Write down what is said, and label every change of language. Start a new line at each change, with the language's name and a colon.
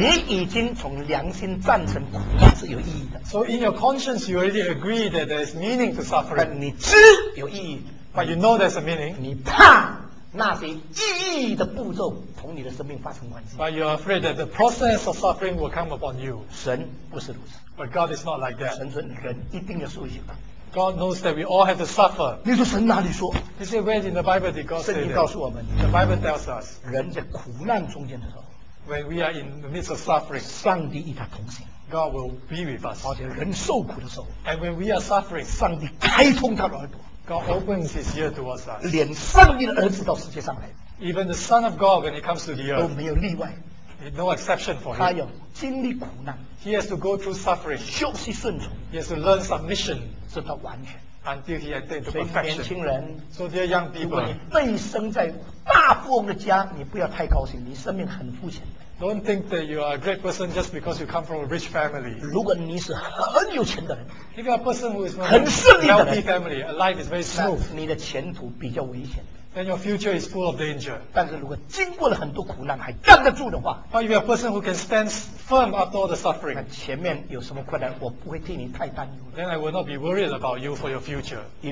Chinese: 你已经从良心赞成苦是有意义的
English: so in your conscience you already agree that there is meaning to suffering
Chinese: 但你知有意义
English: But you know there's a meaning.
Chinese: 你怕那些意义的步骤从你的生命发生关系。
English: But you're afraid that the process of suffering will come upon you.
Chinese: 神不是如此。
English: But God is not like that.
Chinese: 神说人一定要受刑的。
English: God knows that we all have to suffer.
Chinese: 你说神哪里说
English: ？He said, "Where in the Bible did God say that?"
Chinese: 圣经告诉我们。
English: The Bible tells us.
Chinese: 人在苦难中间的时候。
English: When we are in the midst of suffering.
Chinese: 上帝与他同行。
English: God will be with us.
Chinese: 而且人受苦的时候。
English: And when we are suffering,
Chinese: 上帝开通他的耳朵。
English: God opens His ear towards us.
Chinese: 连上帝的儿子到世界上来。
English: Even the Son of God, when He comes to the earth,
Chinese: 都没有例外。
English: No exception for Him.
Chinese: 他要经历苦难。
English: He has to go through suffering.
Chinese: 学习顺从。
English: He has to learn submission.
Chinese: 直到完全。
English: until he attained to perfection.
Chinese: 年轻人,
English: so dear young people,
Chinese: 如果你被生在大富翁的家，你不要太高兴，你生命很肤浅。
English: Don't think that you are a great person just because you come from a rich family.
Chinese: 如果你是很有钱的人,
English: if you are a person who is from a wealthy family, a life is very smooth.
Chinese: 你的前途比较危险。
English: Then your future is full of danger.
Chinese: 但是如果经过了很多苦难还站得住的话,
English: but you are a person who can stand firm after all the suffering,
Chinese: 前面有什么困难我不会替你太担忧,
English: then I will not be worried about you for your future.